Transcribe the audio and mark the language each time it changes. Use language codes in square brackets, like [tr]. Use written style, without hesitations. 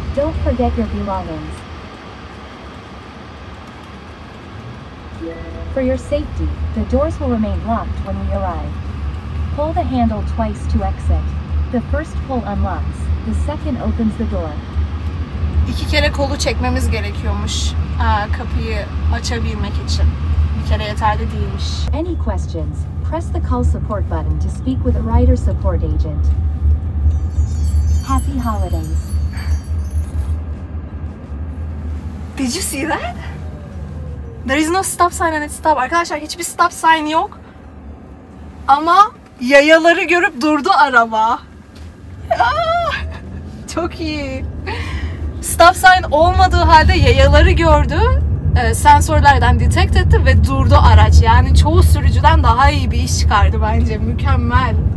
[en] Don't forget your belongings. For your safety, the doors will remain locked when we arrive. Pull the handle twice to exit. The first pull unlocks, the second opens the door. [tr] İki kere kolu çekmemiz gerekiyormuş kapıyı açabilmek için. Bir kere yeterli değilmiş. [en] Any questions? Press the call support button to speak with a rider support agent. Happy holidays. Did you see that? There is no stop sign and it's stop. [tr] Arkadaşlar hiçbir stop sign yok. Ama yayaları görüp durdu araba. Çok iyi. Stop sign olmadığı halde yayaları gördü. Sensörlerden detect etti ve durdu araç. Yani çoğu sürücüden daha iyi bir iş çıkardı bence. Mükemmel.